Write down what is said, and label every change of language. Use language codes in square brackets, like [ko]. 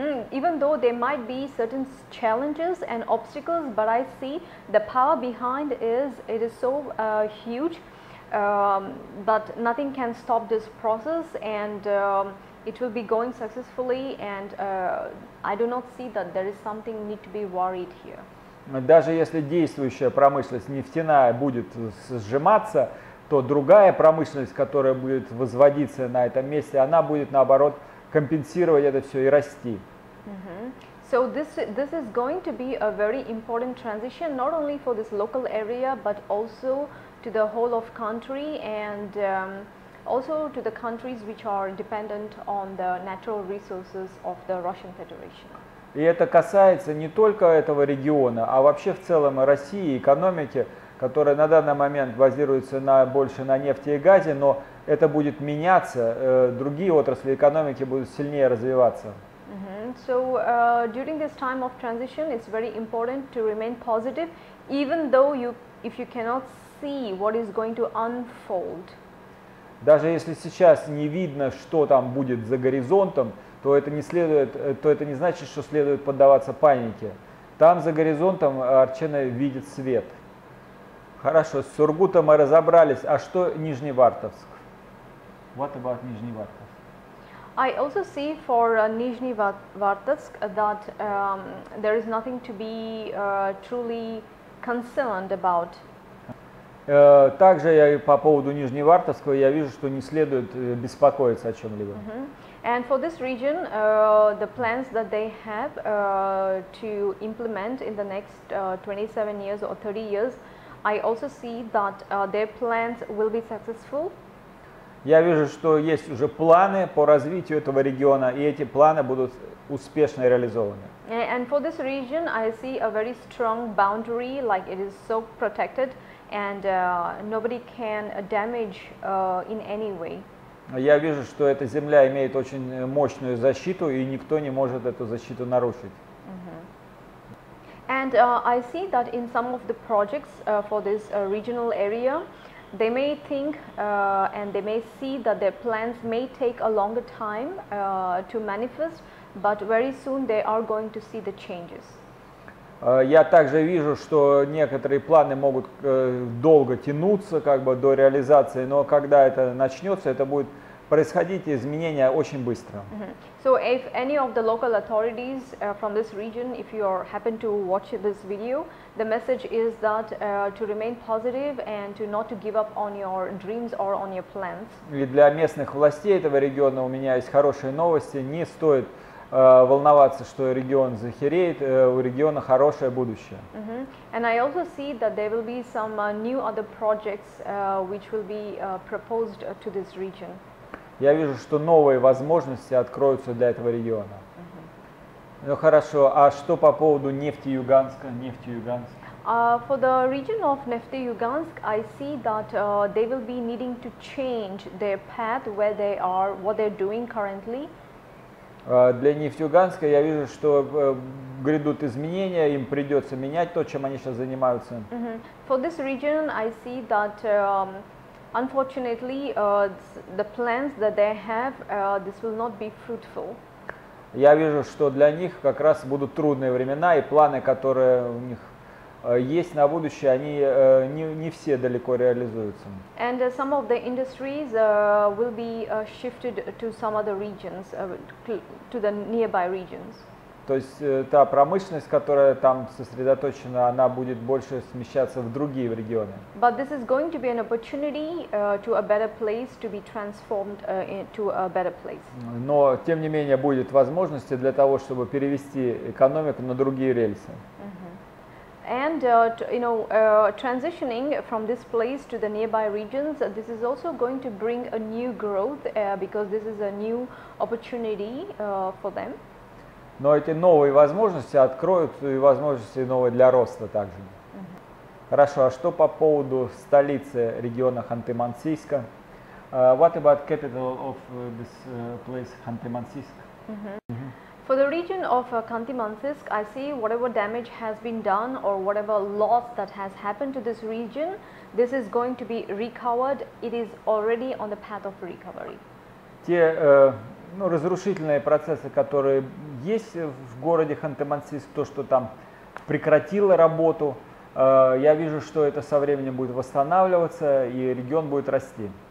[en] Even though there might be certain challenges and obstacles, but I see the power behind is, it is so huge, but nothing can stop this process, and it will be going successfully, and I do not see that there is something need to be worried here. [ru] Даже если действующая промышленность нефтяная будет сжиматься, то другая промышленность, которая будет возводиться на этом месте, она будет наоборот компенсировать это все и расти. [en] So this is going to be a very important transition, not only for this local area, but also to the whole of country and also to the countries which are dependent on the natural resources of the Russian Federation. [ru] И это касается не только этого региона, а вообще в целом России, экономики, которая на данный момент базируется больше на нефти и газе, но это будет меняться, другие отрасли экономики будут сильнее развиваться. [en] So during this time of transition, it's very important to remain positive, even though if you cannot see what is going to unfold. [ru] Даже если сейчас не видно, что там будет за горизонтом, то это не значит, что следует поддаваться панике. Там за горизонтом Арчена видит свет. Хорошо, с Сургутом мы разобрались. А что Нижневартовск? [en] What about Нижневартовск? I also see for Nizhnyvartovsk that there is nothing to be truly concerned about. [ru] Также я по поводу Нижневартовского я вижу, что не следует беспокоиться о чем-либо. [en] And for this region, the plans that they have to implement in the next 27 years or 30 years, I also see that their plans will be successful. [ru] Я вижу, что есть уже планы по развитию этого региона, и эти планы будут успешно реализованы. [en] And for this region, I see a very strong boundary, like it is so protected, and nobody can damage in any way. [ru] Я вижу, что эта земля имеет очень мощную защиту, и никто не может эту защиту нарушить. [en] And I see that in some of the projects for this regional area, they may think and they may see that their plans may take a longer time to manifest, but very soon they are going to see the changes. [ru] Я также вижу, что некоторые планы могут долго тянуться как бы до реализации, но когда это начнется, это будет происходить изменения очень быстро. [en] So if any of the local authorities from this region, if you happen to watch this video, the message is that to remain positive and to not to give up on your dreams or on your plans. [ru] И для местных властей этого региона у меня есть хорошие новости. Не стоит волноваться, что регион захереет, у региона хорошее будущее. [en] And I also see that there will be some new other projects which will be proposed to this region. [ru] Я вижу, что новые возможности откроются для этого региона. Ну хорошо, а что по поводу нефти Юганска? [en] For the region of Nefty-Ugansk, I see that they will be needing to change their path where they are, what they're doing currently. [ru] Для Нефтьюганска я вижу, что грядут изменения, им придется менять то, чем они сейчас занимаются. [en] For this region, I see that unfortunately the plans that they have, this will not be fruitful. [ru] Я вижу, что для них как раз будут трудные времена, и планы, которые у них есть на будущее, они не все далеко реализуются. [en] And some of the industries will be shifted to some other regions, to the nearby regions. [ru] То есть та промышленность, которая там сосредоточена, она будет больше смещаться в другие регионы. [en] But this is going to be an opportunity to a better place, to be transformed into a better place. [ru] Но тем не менее будет возможности для того, чтобы перевести экономику на другие рельсы. [en] And transitioning from this place to the nearby regions, this is also going to bring a new growth because this is a new opportunity for them. [ru] Но эти новые возможности откроют и возможности новые для роста также. Хорошо, а что по поводу столицы региона Ханты-Мансийска? [en] What about capital of this place, Ханты-Мансийск? For the region of Ханты-Мансийск, I see whatever damage has been done or whatever loss that has happened to this region, this is going to be recovered. It is already on the path of recovery. [ru] Те разрушительные процессы, которые есть в городе Ханты-Мансийск, то, что там прекратило работу, я вижу, что это со временем будет восстанавливаться и регион будет расти.